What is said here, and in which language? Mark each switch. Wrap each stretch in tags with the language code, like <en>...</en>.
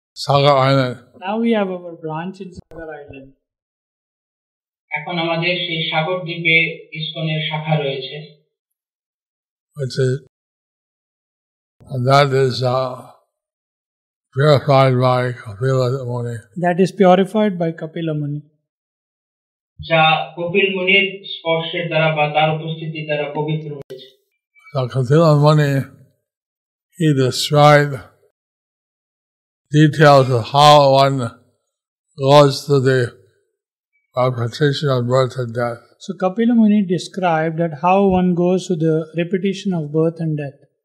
<en>Now we have our branch in Sagar Island.</en> <bn>এখন আমাদের সেই সাগর দ্বীপে ইসকনের শাখা রয়েছে.</bn> <en>That is purified by Kapila Muni.</en> <bn>যা Kapil Munir স্পর্শের দ্বারা বা তার উপস্থিতি দ্বারা পবিত্র হয়েছে.</bn> <en>Kapila Muni, he destroyed details of how one goes through the repetition of birth and death. So Kapila Muni described that how one goes through the repetition of birth and death.</en>